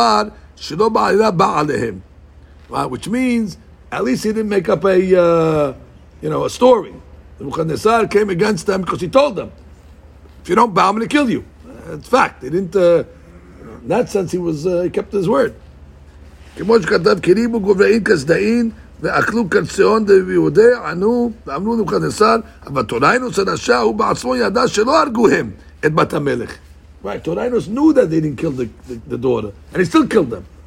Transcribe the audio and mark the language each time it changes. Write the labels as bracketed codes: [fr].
[en] Which means, at least he didn't make up a story. Nebuchadnezzar came against them because he told them, if you don't bow, I'm going to kill you. It's fact. He didn't. In that sense, he kept his word. [he] כמו שכתב [arc] קריבו גובעין כסדאין ואכלו קרציון דביודי ענו ואמרו נבוכדנצר [he] אבל תוריינוס הרשע הוא בעצמו ידע שלא הרגו הם את בת המלך. [en] Right, תוריינוס knew that they didn't kill the daughter and he still killed them.